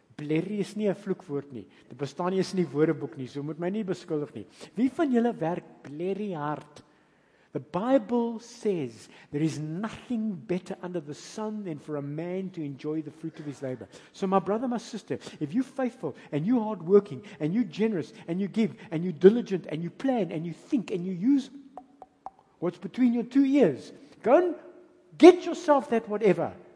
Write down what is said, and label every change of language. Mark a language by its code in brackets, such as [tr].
[af] Blerrie is nie 'n vloekwoord nie. Dit bestaan nie in die woordeboek nie, so moet my nie beskuldig nie. Wie van julle werk blerrie hard? [en] The Bible says there is nothing better under the sun than for a man to enjoy the fruit of his labor. So my brother, my sister, if you're faithful and you're hardworking and you're generous and you give and you're diligent and you plan and you think and you use what's between your two ears, go and get yourself that whatever.